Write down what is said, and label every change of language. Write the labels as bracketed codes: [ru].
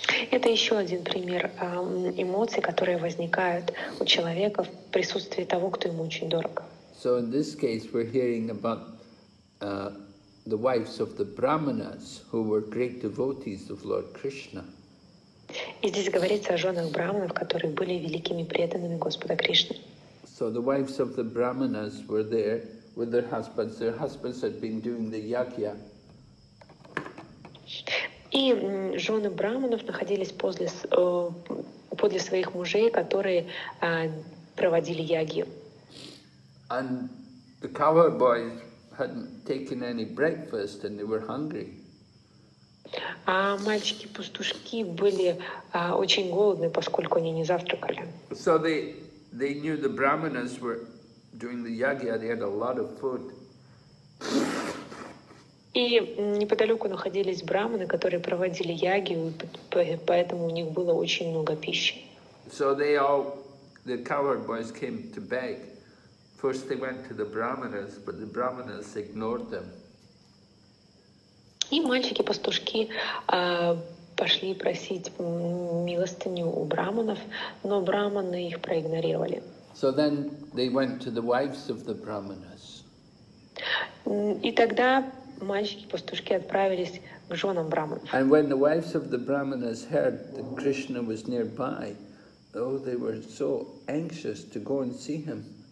[ru] Это еще один пример эмоций, которые возникают у человека в присутствии того, кто ему очень дорог. [en] So in this case we're hearing about the wives of the brahmanas who were great devotees of Lord Krishna. [ru] И здесь говорится о женах брахманов, которые были великими преданными Господа Кришны. [en] So the wives of the brahmanas were there with their husbands. Their husbands had been doing the yagya. [ru] И жены брахманов находились подле своих мужей, которые проводили ягью. [en] And the cowherd boys hadn't taken any breakfast and they were hungry. [ru] А мальчики-пастушки были очень голодны, поскольку они не завтракали. [en] So they knew the brahmanas were doing the yagya. They had a lot of food. [ru] И неподалеку находились брахманы, которые проводили ягью, поэтому у них было очень много пищи. [en] So the cowherd boys came to beg. First they went to the brahmanas, but the brahmanas ignored them. [ru] И мальчики-пастушки пошли просить милостыню у брахманов, но брахманы их проигнорировали. [en] So then they went to the wives of the brahmanas. [ru] И тогда мальчики-пастушки отправились к женам брахманов. [en] And when the wives of the brahmanas heard that Krishna was nearby, oh, they were so anxious to go and see him.